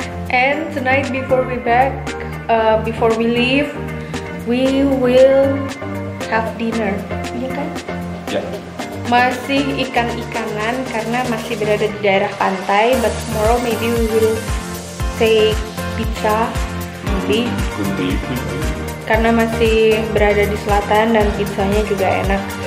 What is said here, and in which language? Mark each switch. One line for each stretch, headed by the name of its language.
English: And tonight before we back, before we leave, we will have dinner.
Indonesian: Iya kan?
English: Yeah.
Indonesian: Masih ikan-ikanan karena masih berada di daerah pantai.
English: But tomorrow maybe we will take pizza. Could be
Indonesian: karena masih berada di selatan dan pizzanya juga enak.